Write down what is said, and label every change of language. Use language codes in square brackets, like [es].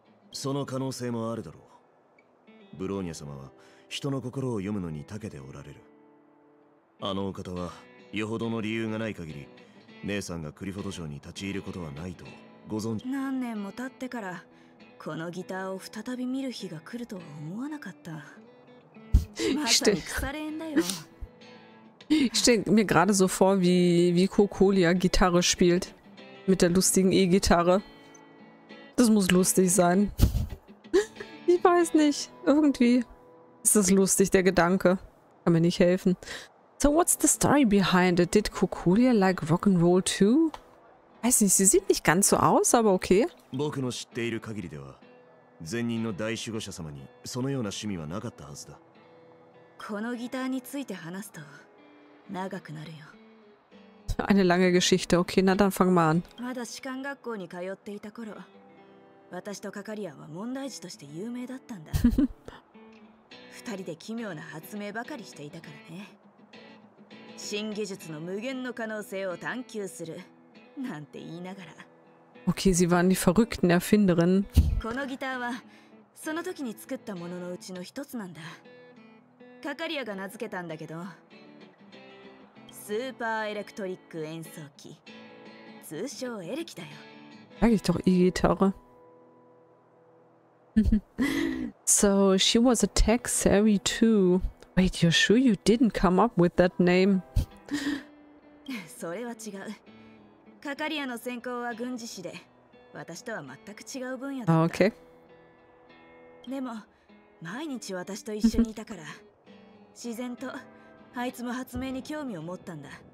[ja] その可能性もあるだろう。ブローニャ様は人の心を読むのに長けておられる。あのお方はよほどの理由がない限り姉さんがクリフォト城に立ち入ることはないと。何年も経ってからこのギターを再び見る日が来るとは思わなかった。まさに腐れ縁だよ。 [de] Ich stelle mir gerade so vor, wie Kokolia Gitarre spielt. Mit der lustigen E-Gitarre. Das muss lustig sein. Ich weiß nicht. Irgendwie ist das lustig, der Gedanke. Kann mir nicht helfen. [en] So, what's the story behind it? Did Kokolia like Rock'n'Roll too? [de] Weiß nicht, sie sieht nicht ganz so aus, aber okay. [ja] 僕の知っている限りでは、前任の大守護者様にそのような趣味はなかったはずだ。このギターについて話すと長くなるよ。 [de] Eine lange Geschichte. Okay, na dann fang mal an. [ja] まだ士官学校に通っていた頃、私とカカリアは問題児として有名だったんだ。二人で奇妙な発明ばかりしていたからね。新技術の無限の可能性を探求するなんて言いながら。 [de] Okay, sie waren die verrückten Erfinderinnen. [ja] このギターはその時に作ったもののうちの一つなんだ。カカリアが名付けたんだけど、スーパーエレクトリック演奏機、通称エレキだよ。 [de] Eigentlich doch E-Gitarre. [en] So she was a tech savvy too. Wait, you're sure you didn't come up with that name? [ja] それは違う。カカリアの専攻は軍事史で、私とは全く違う分野だった。 [en] Okay. [ja] でも毎日私と一緒にいたから、自然とあいつも発明に興味を持ったんだ。